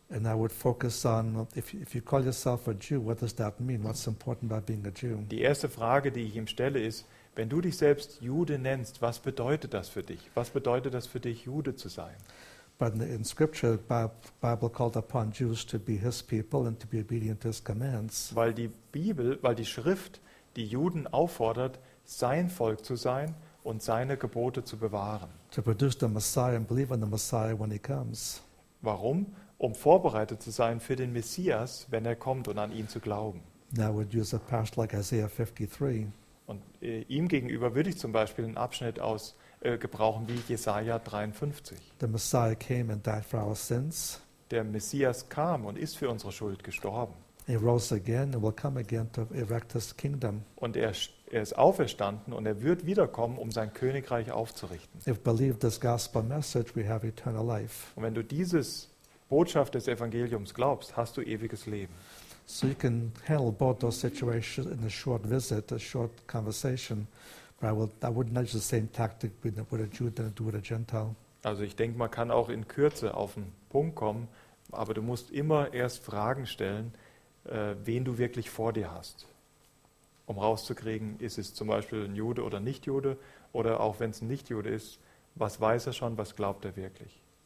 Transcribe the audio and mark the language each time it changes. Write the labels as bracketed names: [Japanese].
[English] And I would focus on, if you call yourself a Jew, what does that mean? What's important about being a Jew? [German] Die erste Frage, die ich ihm stelle, ist, wenn du dich selbst Jude nennst, was bedeutet das für dich? Was bedeutet das für dich, Jude zu sein? [English] But in Scripture, Bible called upon Jews to be His people and to be obedient to His commands. [German] Weil die Schrift die Juden auffordert, sein Volk zu sein und seine Gebote zu bewahren. [English] To produce the Messiah and believe in the Messiah when he comes. [German] Warum? Um vorbereitet zu sein für den Messias, wenn er kommt und an ihn zu glauben. [English] Now we'd use a passage like Isaiah 53. [German] Und ihm gegenüber würde ich zum Beispiel einen Abschnitt aus gebrauchen wie Jesaja 53. [English] The Messiah came and died for our sins. [German] Der Messias kam und ist für unsere Schuld gestorben. [English] He rose again and will come again to erect his kingdom. [German] Und er ist auferstanden und er wird wiederkommen, um sein Königreich aufzurichten. [English] If you believe this gospel message, we have eternal life. [German] Und wenn du dieses Botschaft des Evangeliums glaubst, hast du ewiges Leben. [English] So you can handle both those situations in a short visit, a short conversation. But I wouldn't use the same tactic with a Jew than I do with a Gentile. [German] Also ich denke, man kann auch in Kürze auf den Punkt kommen, aber du musst immer erst Fragen stellen, wen du wirklich vor dir hast, um rauszukriegen, ist es zum Beispiel ein Jude oder Nicht-Jude, oder auch wenn es ein Nicht-Jude ist, was weiß er schon, was glaubt er wirklich?